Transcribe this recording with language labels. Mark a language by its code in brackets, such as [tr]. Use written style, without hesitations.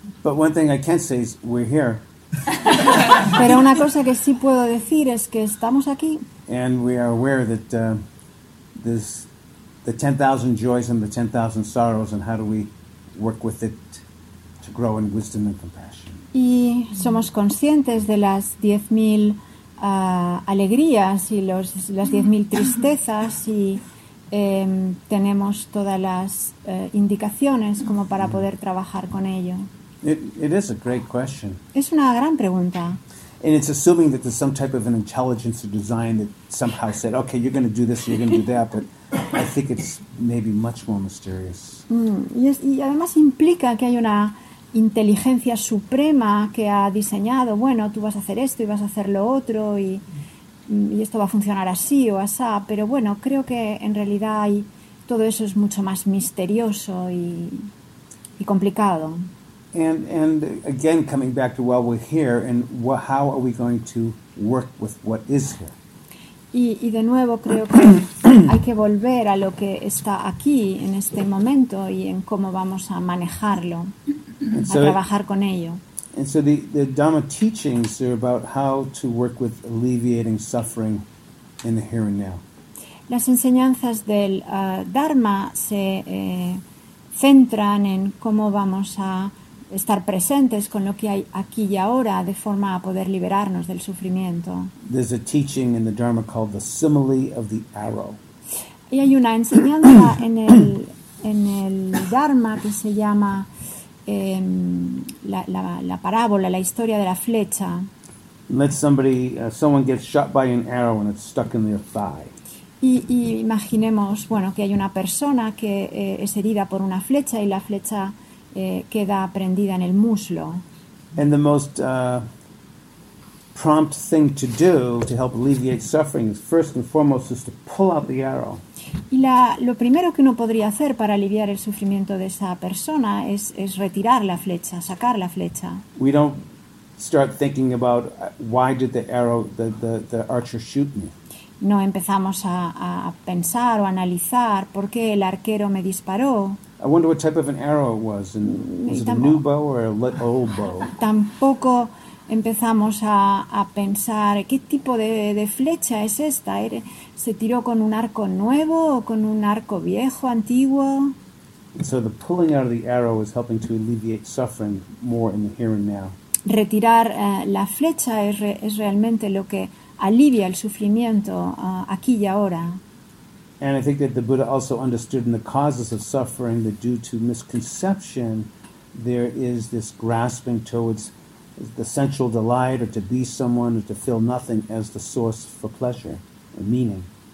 [en] But one thing I can say is we're here. [es] Pero una cosa que sí puedo decir es que estamos aquí. [en] And we are aware that... this, the 10,000 joys and the 10,000 sorrows, and how do we work with it to grow in wisdom and compassion? [es] Y somos conscientes de las 10,000 alegrías y las 10,000 tristezas, y tenemos todas las indicaciones como para poder trabajar con ello. [en] It is a great question. [es] Es una gran pregunta. [en] And it's assuming that there's some type of an intelligence or design that somehow said, okay, you're going to do this, you're going to do that, but I think it's maybe much more mysterious. [es] Y además implica que hay una inteligencia suprema que ha diseñado, bueno, tú vas a hacer esto y vas a hacer lo otro y esto va a funcionar así o asá, pero bueno, creo que en realidad hay, todo eso es mucho más misterioso y complicado. [en] And again, coming back to while we're here, and how are we going to work with what is here? [es] Y de nuevo creo que hay que volver a lo que está aquí en este momento y en cómo vamos a manejarlo, a trabajar con ello. [en] And so the Dhamma teachings are about how to work with alleviating suffering in the here and now. [es] Las enseñanzas del Dharma se centran en cómo vamos a estar presentes con lo que hay aquí y ahora de forma a poder liberarnos del sufrimiento. [en] There's a teaching in the Dharma called the simile of the arrow. [es] Y hay una enseñanza en el Dharma que se llama la parábola, la historia de la flecha. [en] Let somebody, someone gets shot by an arrow and it's stuck in their thigh. [es] Y imaginemos, bueno, que hay una persona que es herida por una flecha y la flecha queda prendida en el muslo. [en] And the most prompt thing to do to help alleviate suffering is first and foremost is to pull out the arrow. [es] Y lo primero que uno podría hacer para aliviar el sufrimiento de esa persona es retirar la flecha, sacar la flecha. [en] We don't start thinking about why did the archer shoot me. [es] No empezamos a pensar o analizar por qué el arquero me disparó. [en] I wonder what type of an arrow it was. And was it a new bow or a old bow? [es] Tampoco empezamos a pensar qué tipo de flecha es esta. ¿Se tiró con un arco nuevo o con un arco viejo, antiguo? [en] So the pulling out of the arrow is helping to alleviate suffering more in the here and now. [es] Retirar la flecha es realmente lo que alivia el sufrimiento aquí y ahora. [en] And I think that the Buddha also understood in the causes of suffering that due to misconception, there is this grasping towards the sensual delight or to be someone or to feel nothing as the source for pleasure or meaning.